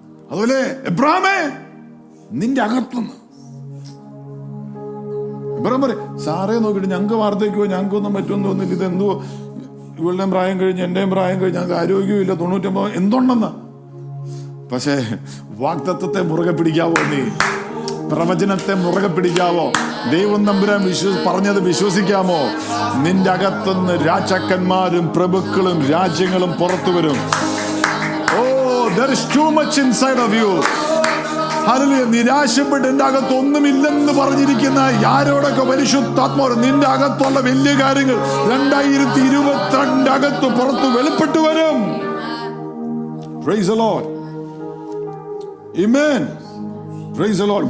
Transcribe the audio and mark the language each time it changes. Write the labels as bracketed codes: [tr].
[ml] അതുപോലെ എബ്രഹാമേ നിന്റെ അകത്തുനിന്ന്, എബ്രഹാം പറയും സാറേ നോക്കിയിട്ട് ഞങ്ങൾക്ക് വാർദ്ധക്യമോ ഞങ്ങൾക്കൊന്നും പറ്റുമെന്ന് തോന്നില്ല, ഇതെന്തോ ഇവളുടെയും പ്രായം കഴിഞ്ഞ് എന്റെയും പ്രായം കഴിഞ്ഞ് ഞങ്ങൾക്ക് ആരോഗ്യമില്ല, 99 എന്തുണ്ടെന്ന്. പക്ഷേ വാഗ്ദത്തത്തെ മുറുകെ പിടിക്കാവോ, നീ പ്രവചനത്തെ മുറുകെ പിടിക്കാവോ, ദൈവം നമ്പുരാൻ പറഞ്ഞത് വിശ്വസിക്കാമോ, നിന്റെ അകത്തുനിന്ന് രാജാക്കന്മാരും പ്രഭുക്കളും രാജ്യങ്ങളും പുറത്തു വരും. [en] Oh there is too much inside of you. [ml] Hallelujah. നിരാശപ്പെട്ട് എന്റെ അകത്ത് ഒന്നുമില്ലെന്ന് പറഞ്ഞിരിക്കുന്ന ആരോടൊക്കെ പരിശുദ്ധാത്മാവ്, നിന്റെ അകത്തുള്ള വലിയ കാര്യങ്ങൾ 2022 അകത്ത് പുറത്തു വെളിപ്പെട്ടു വരും. [en] Praise the Lord. Amen. Praise the Lord.